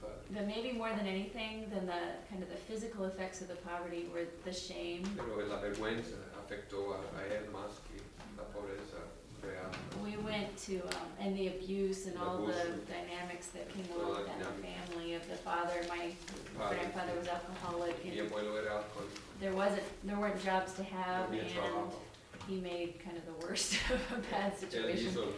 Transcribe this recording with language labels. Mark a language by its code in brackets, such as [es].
[en] But maybe more than anything, than the kind of the physical effects of the poverty were the shame. [es] Pero la vergüenza afectó a él más que la pobreza real. [en] We went to, and the abuse and all the dynamics that came along with that family of the father. My grandfather was alcoholic. [es] Mi abuelo era alcohol. [en] There weren't jobs to have, and he made kind of the worst of a bad situation.